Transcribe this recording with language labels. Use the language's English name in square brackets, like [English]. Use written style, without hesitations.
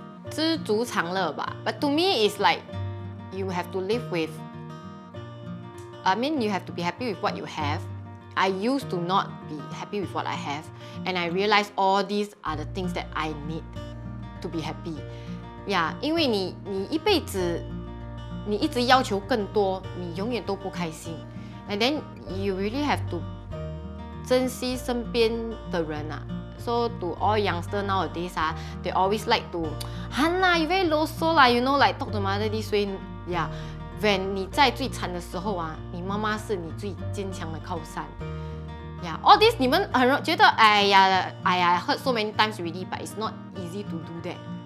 [Chinese] 知足常乐吧. [English] But to me, it's like you have to live with. I mean, you have to be happy with what you have. I used to not be happy with what I have, and I realized all these are the things that I need to be happy. [Chinese] Yeah, 因为你一辈子你一直要求更多，你永远都不开心. [English] And then you really have to [Chinese] 珍惜身边的人. [English] So to all youngsters nowadays, they always like to, Hanna, you very low so lah, you know, like talk to mother this way. Yeah. [Chinese] When 你在最惨的时候, 你妈妈是你最坚强的靠山. [English] Yeah. All this, [Chinese] 你们很觉得, [English] I heard so many times already, but it's not easy to do that.